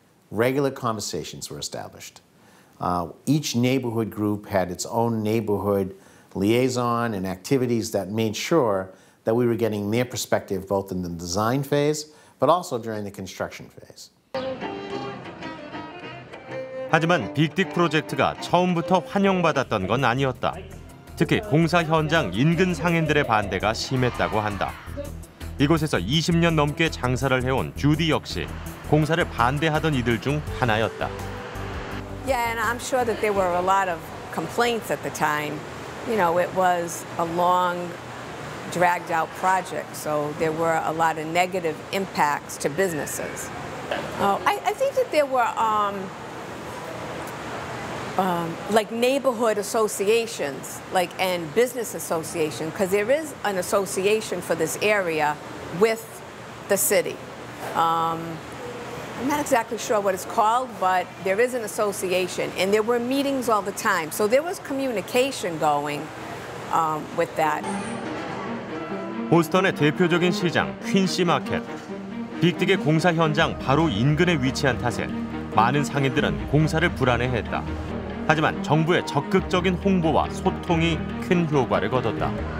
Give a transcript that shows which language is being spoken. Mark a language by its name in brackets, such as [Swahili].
[English] Regular conversations were established. Each neighborhood group had its own neighborhood liaison and activities that made sure that we were getting their perspective both in the design phase, but also during the construction phase. [Korean] 하지만 빅딕 프로젝트가 처음부터 환영받았던 건 아니었다. 특히 공사 현장 인근 상인들의 반대가 심했다고 한다. 이곳에서 20년 넘게 장사를 해온 주디 역시 공사를 반대하던 이들 중 하나였다. [English] Yeah, and I'm sure that there were a lot of complaints at the time. You know, it was a long, dragged out project, so there were a lot of negative impacts to businesses. I think that there were like neighborhood associations, like and business association, because there is an association for this area with the city. I'm not exactly sure what it's called, but there is an association, and there were meetings all the time, so there was communication going with that. [Korean] 보스턴의 대표적인 시장 퀸시 마켓. 빅딕의 공사 현장 바로 인근에 위치한 탓에 많은 상인들은 공사를 불안해했다. 하지만 정부의 적극적인 홍보와 소통이 큰 효과를 거뒀다.